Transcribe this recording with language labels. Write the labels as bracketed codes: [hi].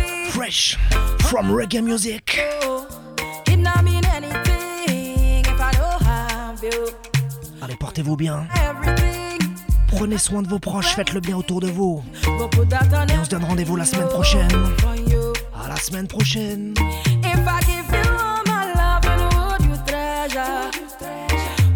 [en] Fresh from reggae music. It not mean anything if I don't have you. [fr] Allez, portez-vous bien. [en] Everything. [fr] Prenez soin de vos proches, faites le bien autour de vous. Et on se donne rendez-vous la semaine prochaine. À la semaine prochaine. [en] If I give you all my love and would you treasure?